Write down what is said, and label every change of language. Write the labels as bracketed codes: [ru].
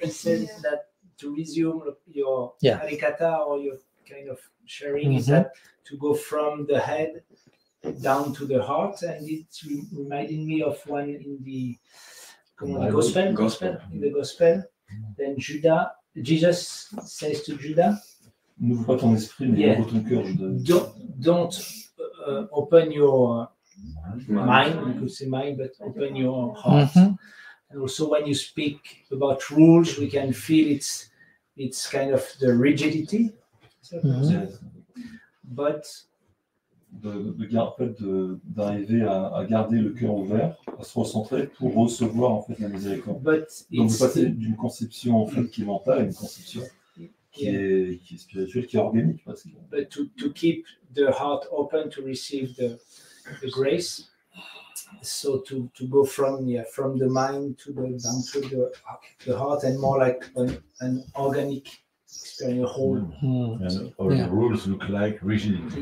[en] You said that to resume your arigata or your kind of sharing is that to go from the head down to the heart, and it's reminding me of one in the gospel. In the gospel, then Jesus says to Judah, [fr] n'ouvre pas ton esprit, mais ouvre ton cœur, Judas. [en] Don't open your mind, you could say mind, but open your heart. And also when you speak about rules, we can feel it's kind of the rigidity. But [fr] de garder, en fait, d'arriver à garder le cœur ouvert, à se recentrer pour recevoir en fait la miséricorde. [en] But [fr] donc vous passez d'une conception en fait qui est mentale à une conception qui est spirituelle, qui est organique. Parce que... [en] But to keep the heart open to receive the grace, so to go from the mind to the down to the heart and more like an organic Whole. And rules look like rigidity.